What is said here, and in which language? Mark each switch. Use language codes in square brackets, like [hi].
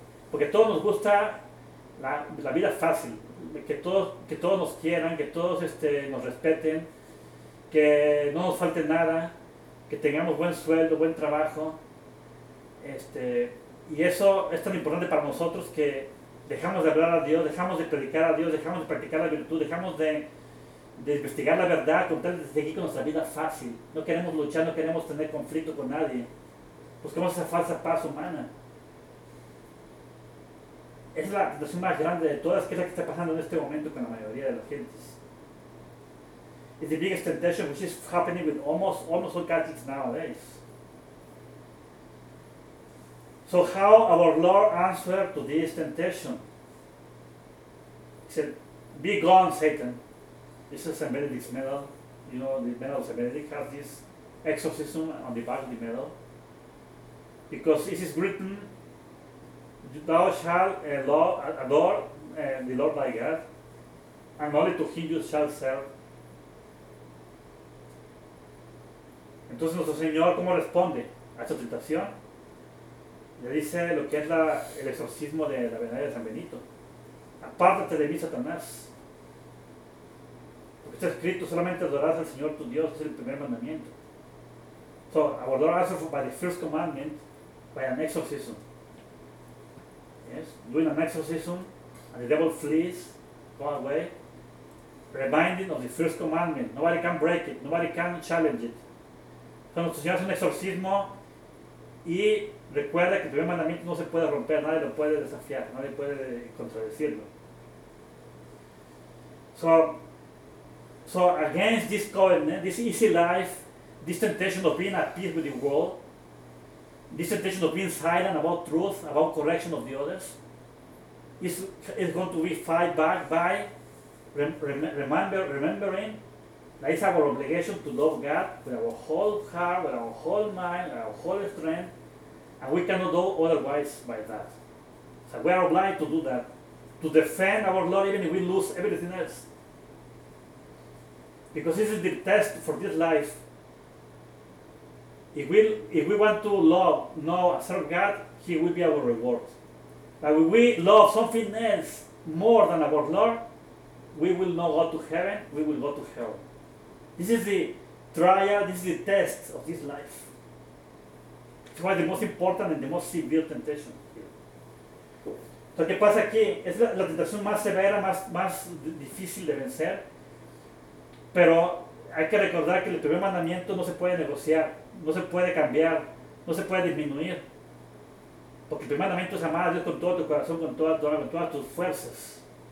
[es] Porque a todos nos gusta la vida fácil, que todos nos quieran, que todos nos respeten, que no nos falte nada, que tengamos buen sueldo, buen trabajo, y eso es tan importante para nosotros que dejamos de hablar a Dios, dejamos de predicar a Dios, dejamos de practicar la virtud, dejamos de investigar la verdad, con tal de seguir con nuestra vida fácil. No queremos luchar, no queremos tener conflicto con nadie. Buscamos esa falsa paz humana. Es la situación más grande de todas, que es la que está pasando en este momento con la mayoría de las gentes. [en] Is the biggest temptation which is happening with almost all Catholics nowadays. So how our Lord answered to this temptation? He said, be gone, Satan. This is St. Benedict's medal. You know, the medal of St. Benedict has this exorcism on the back of the medal. Because it is written Thou shalt adore the Lord thy God, and only to him you shall serve. [es] Entonces nuestro Señor, ¿cómo responde a esta tentación? Le dice lo que es el exorcismo de la venida de San Benito. Apártate de mí, Satanás. Porque está escrito, solamente adorarás al Señor tu Dios, es el primer mandamiento. [en] So, adorarás by the first commandment, by an exorcism. Yes, doing an exorcism, and the devil flees, go away. Reminding of the first commandment. Nobody can break it, nobody can challenge it. [es] So, nuestro Señor hace un exorcismo y recuerda que el primer mandamiento no se puede romper, nadie lo puede desafiar, nadie puede contradecirlo. [en] So against this covenant, this easy life, this temptation of being at peace with the world, this temptation of being silent about truth, about correction of the others, is going to be fight back by remembering that it's our obligation to love God with our whole heart, with our whole mind, with our whole strength, and we cannot do otherwise by that. So we are obliged to do that, to defend our Lord even if we lose everything else. Because this is the test for this life. If we want to love, know, and serve God, He will be our reward. But if we love something else more than our Lord, we will not go to heaven, we will go to hell. This is the trial, this is the test of this life. It's why the most important and the most severe temptation here. [es] So, ¿qué pasa aquí? Es la tentación más severa, más difícil de vencer. Pero hay que recordar que el primer mandamiento no se puede negociar, no se puede cambiar, no se puede disminuir. Porque el primer mandamiento es amar a Dios con todo tu corazón, con toda tu alma, con todas tus fuerzas.